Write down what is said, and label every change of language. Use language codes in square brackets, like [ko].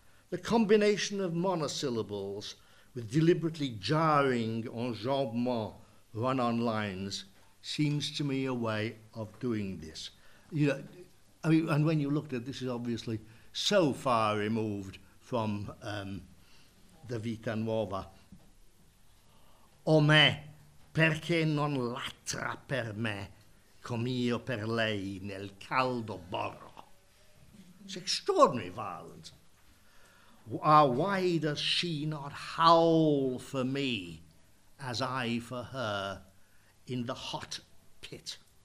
[en] The combination of monosyllables with deliberately jarring enjambement run-on lines seems to me a way of doing this. You know, I mean, and when you looked at this, is obviously so far removed from the Vita Nuova. [it] O me, perché non latra per me, com'io per lei nel caldo borro. [en] It's extraordinary violence. Why does she not howl for me as I for her in the hot pit?